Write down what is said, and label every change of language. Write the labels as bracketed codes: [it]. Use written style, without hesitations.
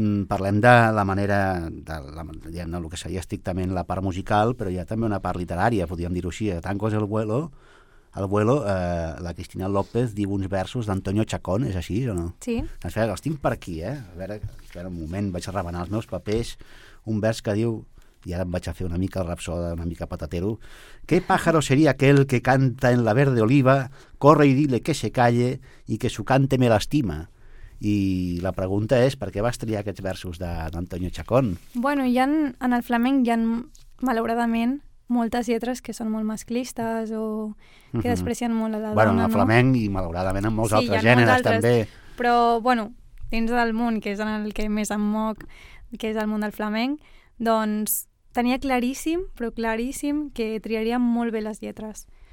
[ca] Parlem de la manera, diguem-ne, el que seria estrictament la part musical, però hi ha també una part literària, podríem dir-ho així. Tangos al vuelo, la Cristina López diu uns versos d'Antonio Chacón, és així o no? Sí. Els tinc per aquí, eh? A veure, un moment, vaig a remenar els meus papers, un vers que diu... I ara em vaig a fer una mica el rapsó, una mica patatero. [es] ¿Qué pájaro sería aquel que canta en la verde oliva, corre y dile que se calle y que su cante me lastima? [ca] I la pregunta és, per què vas triar aquests versos d'Antonio Chacón? Bueno, hi ha, en el flamenc hi ha, malauradament, moltes lletres que són molt masclistes o que desprecien molt a la dona. Bueno, en el flamenc i, malauradament, en molts altres gèneres també. Però, bueno, dins del món, que és en el que més em moc, que és el món del flamenc, doncs tenia claríssim, però claríssim, que triaria molt bé les lletres.